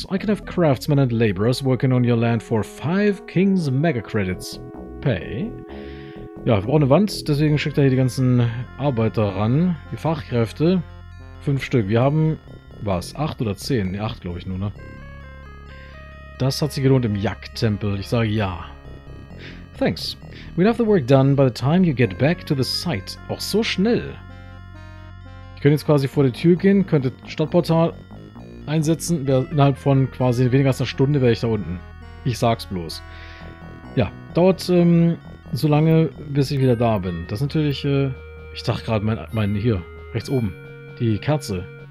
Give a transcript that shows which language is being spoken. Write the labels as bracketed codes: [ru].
[en] I can have craftsmen and laborers working on your land for 5 King's Mega Credits. Pay. [de] Ja, wir brauchen eine Wand, deswegen schickt er hier die ganzen Arbeiter ran. Die Fachkräfte. 5 Stück. Wir haben. Was? 8 oder 10? Ne, 8 glaube ich nur, ne? Das hat sich gelohnt im Jagdtempel. Ich sage ja. [en] Thanks. We'll have the work done by the time you get back to the site. [de] Auch so schnell. Ich könnte jetzt quasi vor die Tür gehen, könnte Stadtportal einsetzen. Innerhalb von quasi weniger als einer Stunde wäre ich da unten. Ich sag's bloß. Ja, dauert so lange, bis ich wieder da bin. Das ist natürlich, ich dachte gerade, mein hier, rechts oben, die Kerze.